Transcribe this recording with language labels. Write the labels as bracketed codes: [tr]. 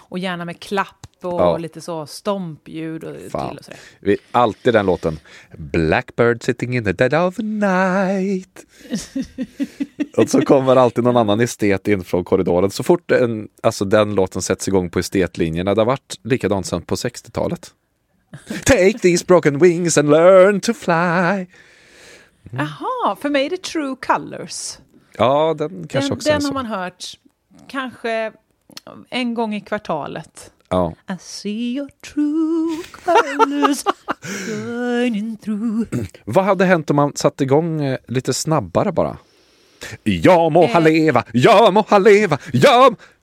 [sv] Och gärna med klapp och lite så stompljud och till och sådär. Vi, alltid den låten. [en] Blackbird sitting in the dead of night. [sv] Och så kommer alltid någon annan estet in från korridoren. Så fort en, alltså den låten sätts igång på estetlinjerna. Det har varit likadant sedan på 60-talet. [en] Take these broken wings and learn to fly. [sv] Aha, för mig är det True Colors. Ja, den kanske den, också den har man hört kanske en gång i kvartalet. Ja. [en] I see your true colors shining through. [sv] Vad hade hänt om man satt igång lite snabbare bara? Jag må ha leva, jag må ha leva, jag må...